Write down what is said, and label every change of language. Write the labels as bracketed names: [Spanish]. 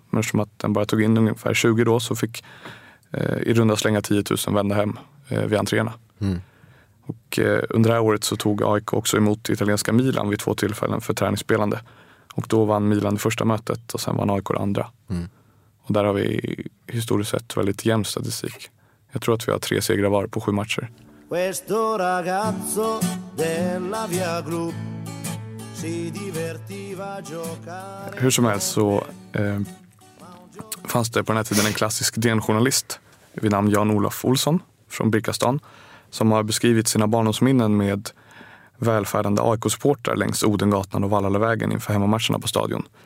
[Swedish] Men som att den bara tog in ungefär 20 då så fick i runda slänga 10 000 vända hem vid entréerna. Och under det här året så tog AIK också emot italienska Milan vid två tillfällen för träningsspelande. Och då vann Milan det första mötet och sen vann AIK det andra. Och där har vi historiskt sett väldigt jämn statistik. Jag tror att vi har 3 segrar var på 7 matcher. [Italian] Questo ragazzo della via gru si divertiva a giocare. [Swedish] Hur som helst så fanns det på den här tiden en klassisk DN-journalist vid namn Jan-Olof Olsson från Birkastan som har beskrivit sina barndomsminnen med välfärdande AIK-supportrar längs Odengatan och Vallalavägen inför hemmamatcherna på stadion.